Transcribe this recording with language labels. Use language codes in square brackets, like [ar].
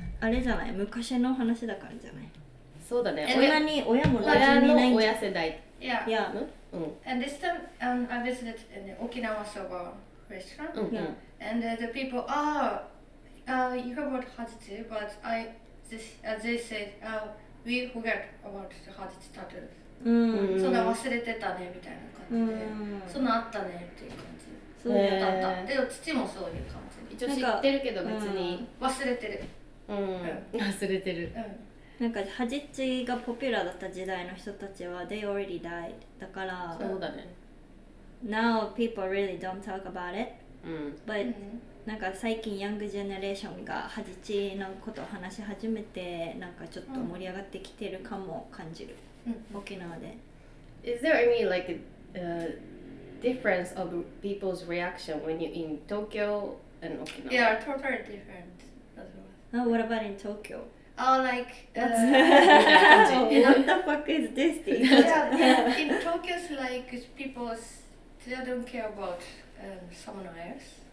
[ja] あれじゃない、昔の話だからじゃない。そうだね。親に、親も馴染みないんじゃ。親の親世代。 [en] And this time, I visited an Okinawa soba restaurant. And the people, you have heard Hajitsu, but they said, we forget about the Hajitsu tattoos. [ja] そんな忘れてたね、みたいな感じで。そんなあったね、っていう感じ。そうだった。でも父もそういう感じ。一応知ってるけど、別に。忘れてる。忘れてる。なんかハジチがポピュラーだった時代の人たちは [en] they already died [ja] だから、そうだね。 [en] Now people really don't talk about it. [ja] But なんか最近ヤングジェネレーションがハジチのことを話し始めて、なんかちょっと盛り上がってきてるかも感じる、沖縄で。 [en] Is there any like a difference of people's reaction when you're in Tokyo and Okinawa? Yeah, totally different. What about in Tokyo? Oh, like... what the fuck is this thing? Yeah, in Tokyo, like, people they don't care about someone else.